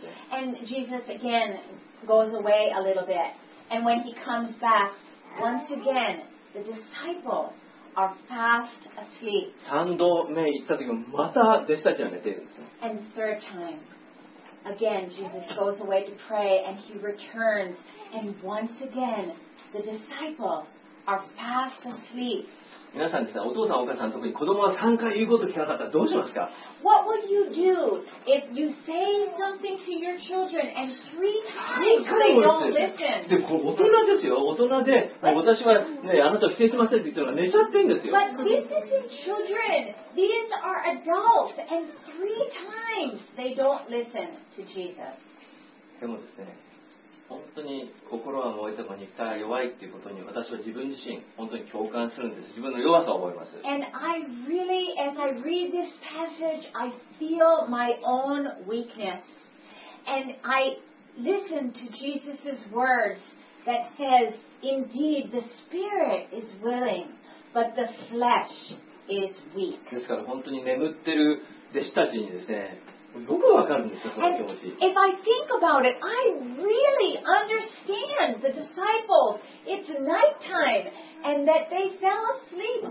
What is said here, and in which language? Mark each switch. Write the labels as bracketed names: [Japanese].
[English] And Jesus again goes away a little bit, and when he comes back, once again, the disciples. Are fast asleep. [Japanese] 三度目行った時もまた弟子たちは寝ているんですね。 [English] And third time, again Jesus goes away to pray, and he returns, and once again the disciples are fast asleep. [Japanese] 皆さんですね、お父さんお母さん特に子供が三回言うこと聞かなかったらどうしますか [English] ？What would you do if you say something to your children and three times they don't listen？ [Japanese] でこれ大人ですよ、大人で私はねあなたを否定しませんって言ったら寝ちゃってんですよ。 [English] But these are children. These are adults, and three times they don't listen to Jesus. [Japanese] でもですね。本当に心は燃えても肉体は弱いっていうことに私は自分自身本当に共感するんです。自分の弱さを覚えます。 [English] And I really, as I read this passage, I feel my own weakness. And I listen to Jesus' words that says, "Indeed, the spirit is willing, but the flesh is weak." [Japanese] ですから本当に眠ってる弟子たちにですね。よくわかるんですよ、その気持ち。 [English] If I think about it, I really understand the disciples it's nighttime and that they fell asleep.